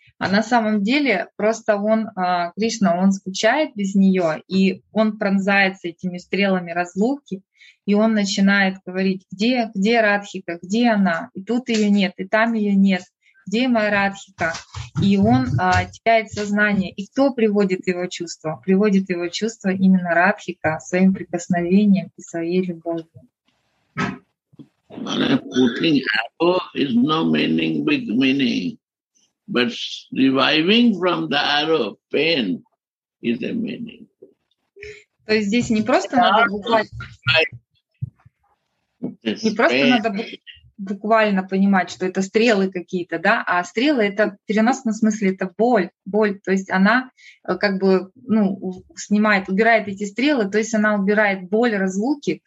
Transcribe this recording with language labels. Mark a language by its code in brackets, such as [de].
[ru] А на самом деле просто он, Кришна, он скучает без нее, и он пронзается этими стрелами разлуки, и он начинает говорить, где Радхика, где она? И тут ее нет, и там ее нет. где Марадхика? И он теряет сознание. И кто приводит его чувство? Приводит его чувство именно Радхика своим прикосновением и своей любовью. [en] When I'm putting arrow is no meaning, big meaning. But reviving from the arrow, pain, is a meaning. [ru] То есть здесь не просто надо буквально, понимать, что это стрелы какие-то, да, а стрелы — это в переносном смысле, это боль. То есть она как бы, ну, снимает, убирает эти стрелы, то есть она убирает боль разлуки.